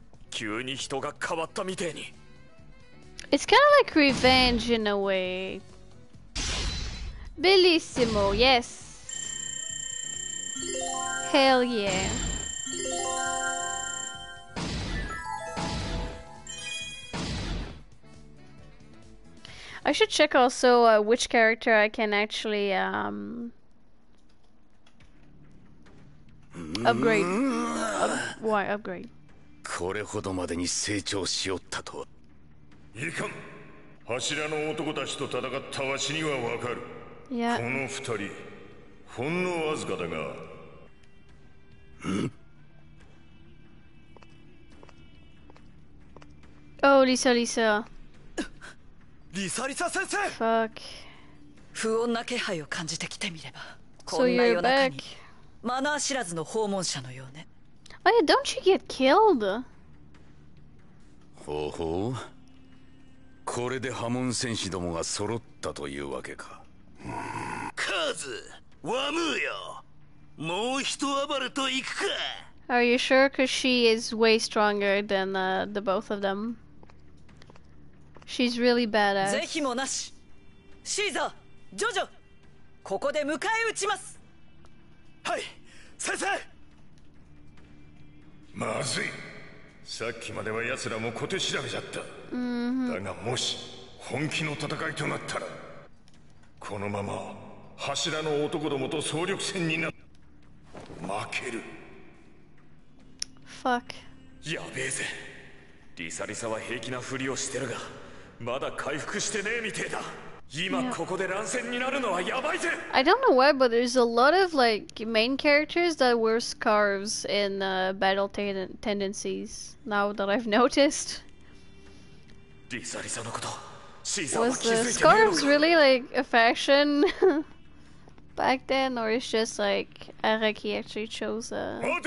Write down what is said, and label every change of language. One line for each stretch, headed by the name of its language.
Japanese: 急に人が変わったみてえに。
English: It's kind of like revenge in a way. Bellissimo, yes. Hell yeah. I should check also which character I can actually upgrade. Why upgrade?
Japanese: これほどまでに成長しよったとは。いかん。柱の男たちと戦ったわしにはわかる。
English: Yeah.
Japanese: この二人、ほんのわずかだが。
English: ん？Oh, Lisa, Lisa.
Japanese: Lisa, Lisa 先生。
English: Fuck.
Japanese: 不穏な気配を感じてきてみれば、こんな夜中にマナー知らずの訪問者のようね。
English: Oh yeah, don't you get killed?
Japanese: ほほう。これで波紋戦士どもが揃ったというわけか。カズ、ワムーよ。もう一暴れと行くか。
English: Are you sure? Cause she is way stronger than the both of them. She's really badass.
Japanese: ぜひもなし。シーザー、ジョジョ、ここで迎え撃ちます。はい、先生。まずい。さっきまでは奴らも小手調べじゃった、 mm-hmm. だがもし本気の戦いとなったらこのまま柱の男どもと総力戦になる負ける。
English: F- fuck.
Japanese: やべえぜ。リサリサは平気なふりをしてるが、まだ回復してねえみてえだ。
English: Yeah. I don't know why, but there's a lot of like main characters that wear scarves in battle tendencies now that I've noticed. Was the scarves really like a fashion back then, or is just like Araki actually chose a.